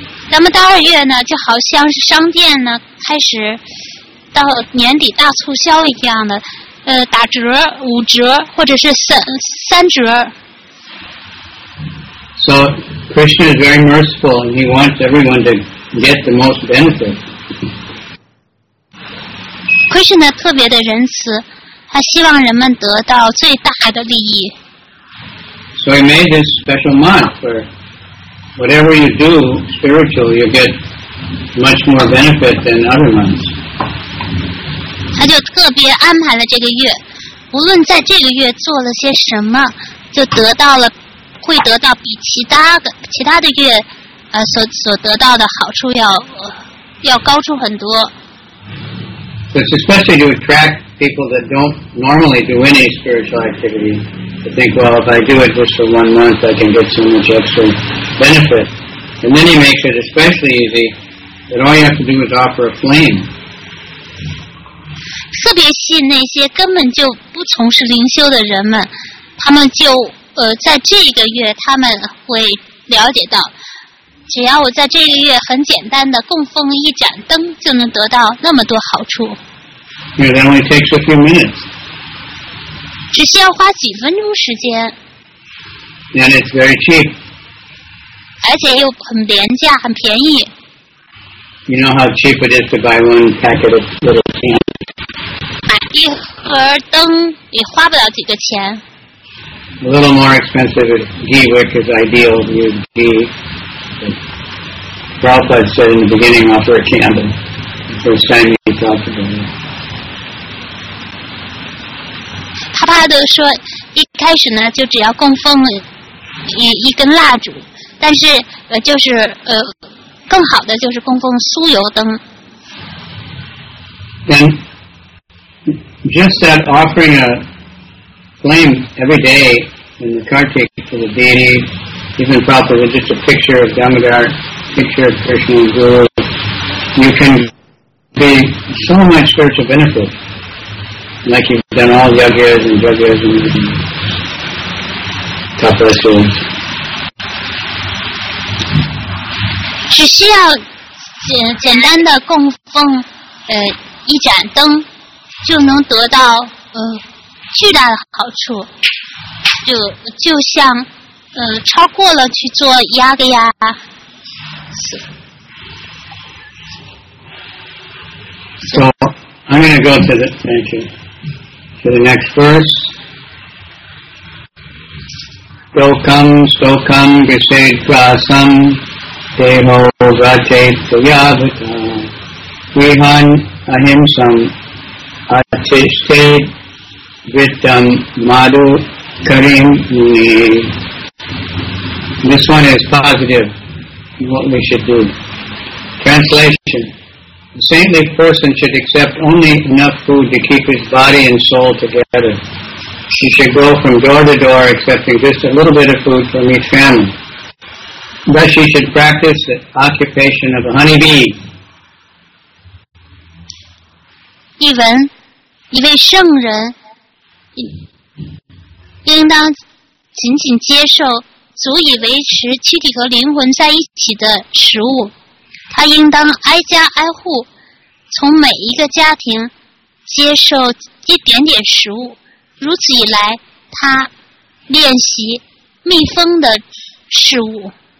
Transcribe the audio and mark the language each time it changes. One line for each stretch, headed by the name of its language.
Chinese: 咱们大二月呢，就好像是商店呢开始到年底大促销一样的，打折、五折或者是三折。
English: So Krishna is very merciful, and he wants everyone to get the most benefit.
Chinese: Krishna 特别的仁慈，他希望人们得到最大的利益。
English: So he made this special month for. Whatever you do spiritual, you get much more benefit than other months.
Chinese: 他就特别安排了这个月，无论在这个月做了些什么，就得到了，会得到比其他的月，所得到的好处要高出很多。
English: It's especially to attract people that don't normally do any spiritual activity. To think, well, if I do it just for 1 month, I can get so much extra. Benefit. And then he makes it especially easy that all you have to do is offer a flame.
Chinese: 特别吸引那些根本就不从事灵修的人们，他们就在这个月他们会了解到，只要我在这个月很简单的供奉一盏灯就能得到那么多好处。
English: It only takes a few minutes.
Chinese: 只需要花几分钟时间。
English: And it's very cheap.
Chinese: 而且又很廉价，很便宜。
English: You know how cheap it is to buy one packet of little candles.
Chinese: 买一盒灯也花不了几个钱。
English: A little more expensive if ghee wick is ideal. Use ghee. Prabhupada said in the beginning, offer a candle. The first time he talked about it.
Chinese: 帕帕德说，一开始呢，就只要供奉一根蜡烛。但是就是更好的就是供奉酥油灯。
English: And just that offering a flame every day in the Kartik to the deity, even probably just a picture of Damodar, picture of Krishna and Guru, you can be so much spiritual benefit, like you've done all yagyas and yagyas and everything.
Chinese: 他说是只需要 简单的供奉一盏灯就能得到巨大的好处，就像超过了去做压个压。
English: So I'm going to go to the, thank you, to the next verse.
Sanskrit: Dokam Stokam Gesed Krasam Deho Vrate Puyavata Vihan Ahimsam Atishte Vittam Madhu Karim Muni.
English: This one is positive, what we should do. Translation. The saintly person should accept only enough food to keep his body and soul together. He should go from door to door accepting just a little bit of food from each family. Thus he should practice the occupation of a honeybee.
Chinese: 译文，一位圣人应当仅仅接受足以维持躯体和灵魂在一起的食物。他应当挨家挨户从每一个家庭接受一点点食物，如此以来，他练习蜜蜂的事物。